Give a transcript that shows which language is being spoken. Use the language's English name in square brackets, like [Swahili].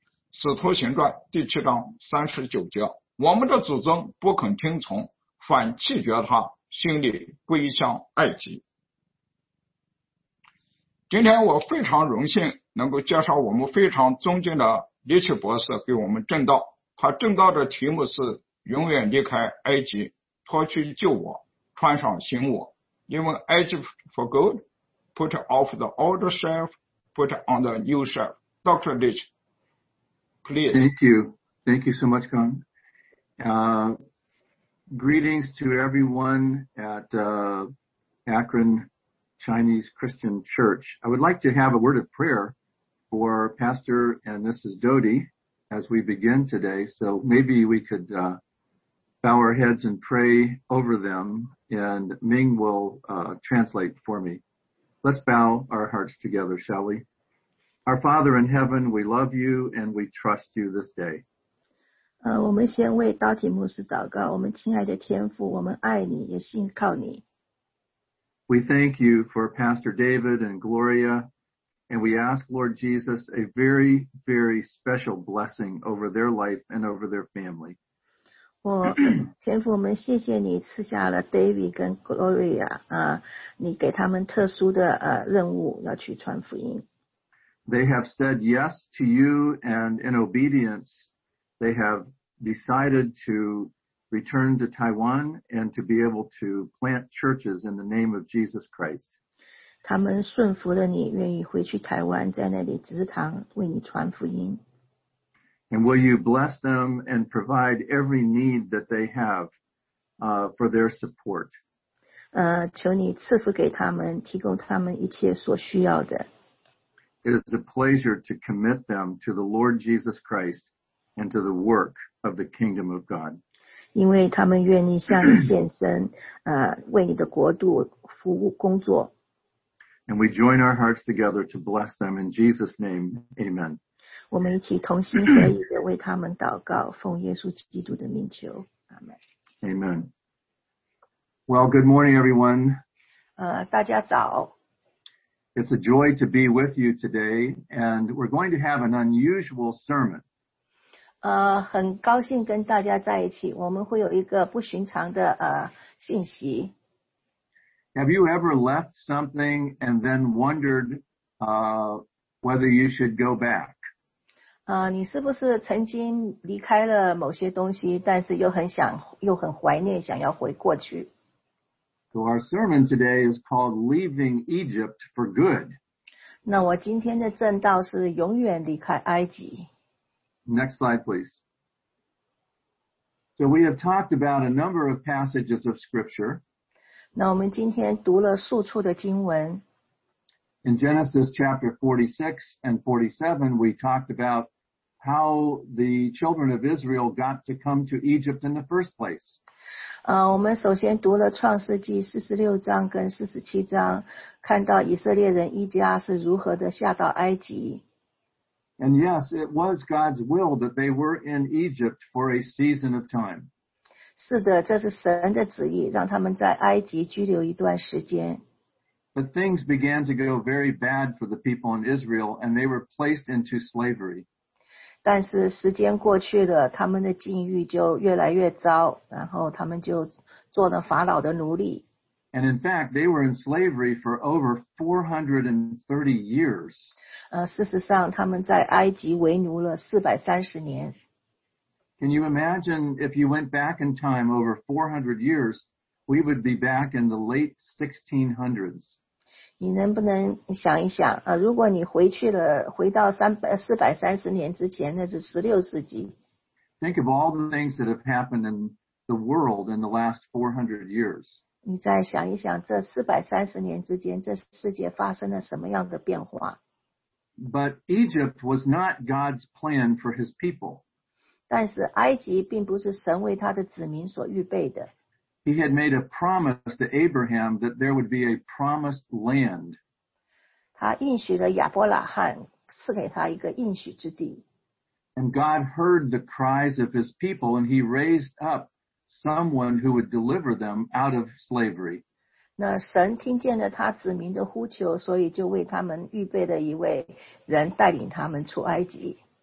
[Chinese] 使徒行传第七章三十九节，我们的祖宗不肯听从，反弃绝他，心里归向埃及。今天我非常荣幸能够介绍我们非常尊敬的李奇博士给我们证道，他证道的题目是永远离开埃及，脱去旧我，穿上新我。因为 [English] Egypt for good, put off the old self, put on the new self. Dr. Leach, please. Thank you. Thank you so much, Kong. Greetings to everyone at Akron Chinese Christian Church. I would like to have a word of prayer for Pastor and Mrs. Doty as we begin today. So maybe we could bow our heads and pray over them, and Ming will translate for me. Let's bow our hearts together, shall we? Our Father in heaven, we love you and we trust you this day. [Chinese] 我们先为道体牧师祷告，我们亲爱的天父，我们爱你，也信靠你。 [English] We thank you for Pastor David and Gloria, and we ask Lord Jesus a very, very special blessing over their life and over their family. [Chinese] 天父，我们谢谢你赐下了 David 跟 Gloria, 你给他们特殊的任务，要去传福音。 [English] They have said yes to you, and in obedience, they have decided to return to Taiwan and to be able to plant churches in the name of Jesus Christ. [Chinese] 他们顺服了你，愿意回去台湾，在那里植堂，为你传福音。 [English] And will you bless them and provide every need that they have for their support? [Chinese] 求你赐福给他们，提供他们一切所需要的。 [English] It is a pleasure to commit them to the Lord Jesus Christ and to the work of the kingdom of God. [Chinese] 因为他们愿意向你献身，为你的国度服务工作。 [English] And we join our hearts together to bless them in Jesus' name. Amen. [Chinese] 我们一起同心合意地为他们祷告，奉耶稣基督的名求，阿门。 [English] Amen. Well, good morning, everyone. [Chinese] 大家早。 [English] It's a joy to be with you today, and we're going to have an unusual sermon. [Chinese] 很高兴跟大家在一起，我们会有一个不寻常的信息。 [English] Have you ever left something and then wondered whether you should go back? [Chinese] 你是不是曾经离开了某些东西，但是又很怀念，想要回过去？ [English] So our sermon today is called Leaving Egypt for Good. [Chinese] 那我今天的证道是永远离开埃及。 [English] Next slide, please. So we have talked about a number of passages of scripture. [Chinese] 那我们今天读了数处的经文。 [English] In Genesis chapter 46 and 47, we talked about how the children of Israel got to come to Egypt in the first place. [Chinese] 我们首先读了创世纪46章跟47章，看到以色列人一家是如何的下到埃及。 [English] And yes, it was God's will that they were in Egypt for a season of time. [Chinese] 是的，这是神的旨意，让他们在埃及居留一段时间。 [English] But things began to go very bad for the people in Israel, and they were placed into slavery. [Chinese] 但是时间过去了，他们的境遇就越来越糟，然后他们就做了法老的奴隶。 [English] And in fact, they were in slavery for over 430 years. [Chinese] 事实上他们在埃及为奴了430年。 [English] Can you imagine if you went back in time over 400 years, we would be back in the late 1600s. [Chinese] 你能不能想一想，如果你回去了，回到430年之前，那是16世纪。 [English] Think of all the things that have happened in the world in the last 400 years. [Chinese] 你再想一想，这430年之间，这世界发生了什么样的变化。 [English] But Egypt was not God's plan for his people. [Chinese] 但是埃及并不是神为他的子民所预备的。 [English] He had made a promise to Abraham that there would be a promised land. [Chinese] 他应许了亚伯拉罕，赐给他一个应许之地。 [English] And God heard the cries of his people, and he raised up someone who would deliver them out of slavery. [Chinese] 那神听见了他子民的呼求，所以就为他们预备了一位人带领他们出埃及。